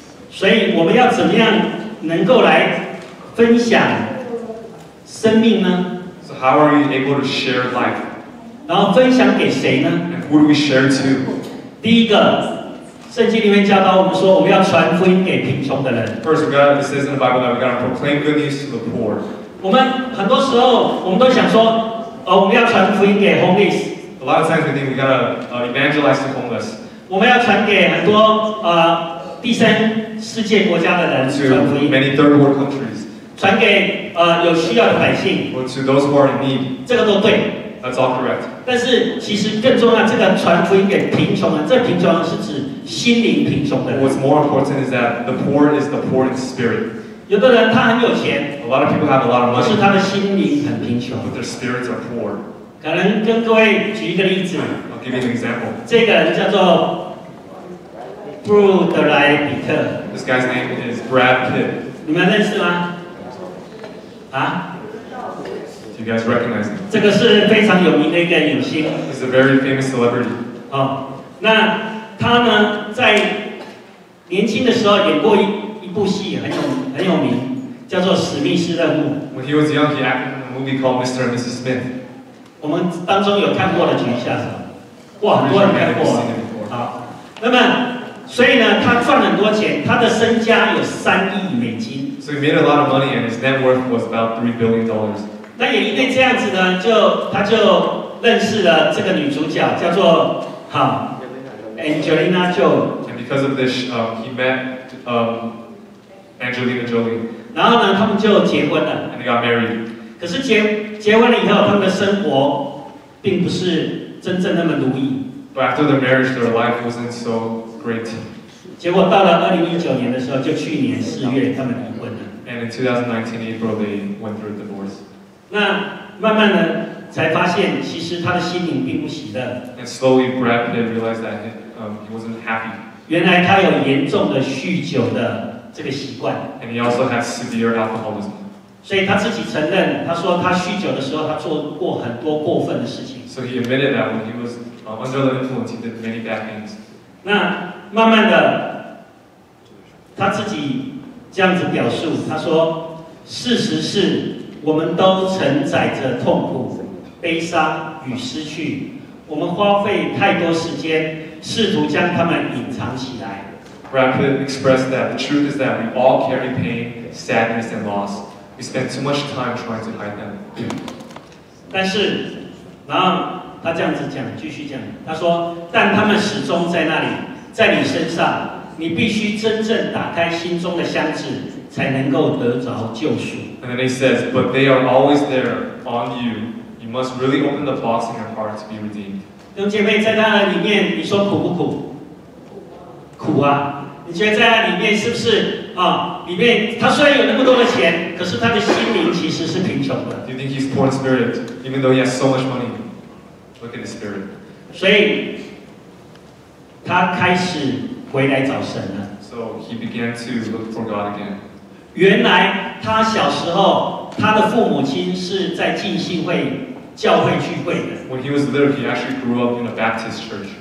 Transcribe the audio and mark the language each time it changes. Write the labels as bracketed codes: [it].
[zh] 所以我们要怎么样能够来分享生命呢？ [en] So how are we able to share life? [zh] 然后分享给谁呢？ [en] And who do we share to? [zh] 第一个，圣经里面教导我们说，我们要传福音给贫穷的人。 [en] First, God, it says in the Bible that we gotta proclaim good news to the poor. [zh] 我们很多时候，我们都想说，我们要传福音给 homeless。 [en] A lot of times we think we gotta evangelize to homeless。 [zh] 我们要传给很多第三世界国家的人传福音。 [en] To many third world countries. [zh] 传给有需要的百姓。 [en] Or to those who are in need. [zh] 这个都对。 [en] That's all correct. [zh] 但是其实更重要，这个传福音给贫穷人，这贫穷人是指心灵贫穷的人。 [en] What's more important is that the poor is the poor in spirit. [zh] 有的人他很有钱。 [en] A lot of people have a lot of money. [zh] 可是他的心灵很贫穷。 [en] But their spirits are poor. [zh] 可能跟各位举一个例子。 [en] I'll give you an example. [zh] 这个人叫做布鲁德莱比特。 [en] This guy's name is Brad Pitt. [zh] 你们认识吗？啊？ [en] You guys recognize him. [zh] 这个是非常有名的一个影星。 [en] He's a very famous celebrity. [zh] 那他呢，在年轻的时候演过 一部戏，很有名，叫做《史密斯任务》。 [en] When he was young, he acted in a movie called Mr. and Mrs. Smith. [zh] 我们当中有看过的举一下手。哇，很多人看过。好，那么所以呢，他赚了很多钱，他的身家有3亿美金。 [en] So he made a lot of money, and his net worth was about $3 billion. [zh] 那也因为这样子呢，他就认识了这个女主角，叫做Angelina Jolie. [en] And because of this, he met Angelina Jolie. [zh] 然后呢，他们就结婚了。 [en] And they got married. [zh] 可是结婚了以后，他们的生活并不是真正那么如意。 [en] But after the marriage, their life wasn't so great. [zh] 结果到了2019年的时候，就去年4月，他们离婚了。 [en] And in 2019 April, they went through a divorce. [zh] 那慢慢的才发现，其实他的心灵并不喜乐。 [en] And slowly, Brad Pitt realized that he wasn't happy. [zh] 原来他有严重的酗酒的这个习惯。 [en] And he also has severe alcoholism. [zh] 所以他自己承认，他说他酗酒的时候，他做过很多过分的事情。 [en] So he admitted that when he was under the influence, he did many bad things. [zh] 那慢慢的，他自己这样子表述，他说，事实是。我们都承载着痛苦、悲伤与失去。我们花费太多时间，试图将它们隐藏起来。 [en] Rapid expressed that the truth is that we all carry pain, sadness, and loss. We spend too much time trying to hide them. [zh] 但是，然后他这样子讲，继续讲，他说：“但他们始终在那里，在你身上。你必须真正打开心中的箱子。” 才能够得着救赎。 [en] And then he says, but they are always there on you. You must really open the box in your heart to be redeemed. [zh] 弟兄姐妹，在那里面，你说苦不苦？苦啊！你觉得在那里面是不是啊？里面他虽然有那么多的钱，可是他的心灵其实是贫穷的。 [en] Do you think he's poor in spirit, even though he has so much money? Look at his spirit. [zh] 所以他开始回来找神了。 [en] So he began to look for God again. [zh] 原来他小时候，他的父母亲是在浸信会教会聚会的。 [en] When he was little, he actually grew up in a Baptist church.